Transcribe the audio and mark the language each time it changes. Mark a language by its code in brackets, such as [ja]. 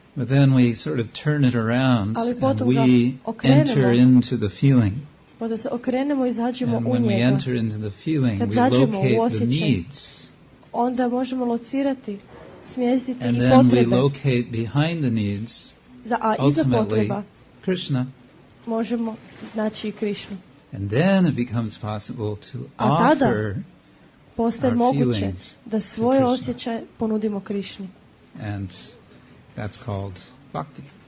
[en] But then we sort of turn it around and we [hr] okrenemo, [en] enter into the feeling. [hr] pa da se okrenemo i zađemo [en] and [hr] u njega. [en] When we enter into the feeling, [hr] kad [en] we locate the needs. [hr] Onda možemo locirati, smjestiti [en] and [hr] i [en] then [hr] potrebe. [en] We locate behind the needs, [hr] za, a, [en] ultimately, [hr] iza potreba, [en] Krishna. [hr] Možemo naći i Krishnu. [en] And then it becomes possible to offer [hr] postaje moguće da svoje osjećaje ponudimo Krišni. [en] And that's called bhakti.